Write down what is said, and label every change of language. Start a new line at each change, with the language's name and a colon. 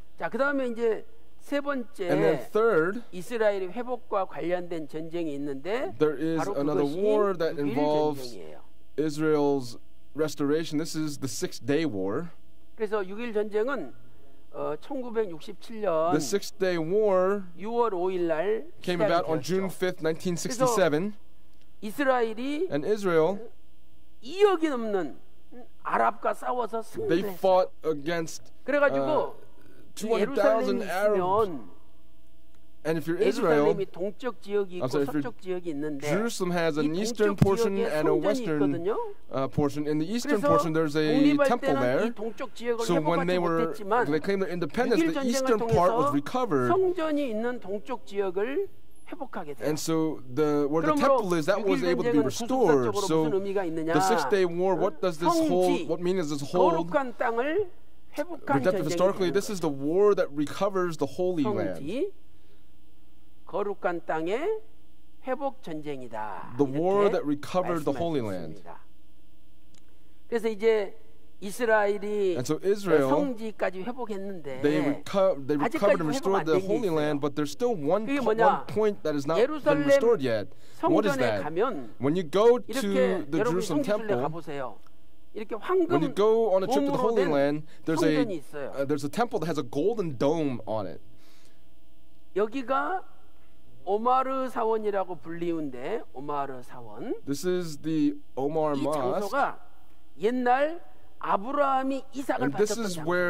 Korean: 자, 그다음에 이제 세 번째
English: and then third,
Korean: 이스라엘의 회복과 관련된 전쟁이 있는데
English: there is another war that involves Israel's restoration. This is the Six Day War.
Korean: 그래서 6일 전쟁은 1967년
English: the Six Day War
Korean: 6월 5일 날
English: came about on June 5th, 1967.
Korean: 이스라엘이
English: and Israel
Korean: 2억이 넘는 아랍과 싸워서 승리했어요.
English: They fought against
Korean: 그래가지고
English: 200,000 Arabs. And if you're Israel,
Korean: 예루살렘이 동쪽 지역이 있고
English: sorry,
Korean: 서쪽 지역이 있는데
English: Jerusalem has an eastern portion and a western portion. In the eastern portion, there's a temple there. So when they were, they claimed their independence, the eastern part was recovered.
Korean: 성전이 있는 동쪽 지역을
English: And so the where the temple is, that was able to be restored. So the Six-Day War, what does this hold? What meaning does this hold? Redemptive historically, this is the war that recovers the holy land.
Korean: 거룩한 땅의 회복 전쟁이다.
English: The war that recovered the holy land.
Korean: 그래서 이제 이스라엘이
English: and so Israel,
Korean: 성지까지 회복했는데
English: they recovered and restored the Holy Land but there's still one point that is not been restored yet. What is that? When you go to the Jerusalem Temple
Korean: 가보세요.
English: When you go on a trip to the Holy Land there's a temple that has a golden dome on it.
Korean: 여기가 오마르 사원이라고 불리운데 오마르 사원
English: This is the Omar Mosque.
Korean: 이 장소가 옛날 아브라함이 이삭을 바쳤던 장소.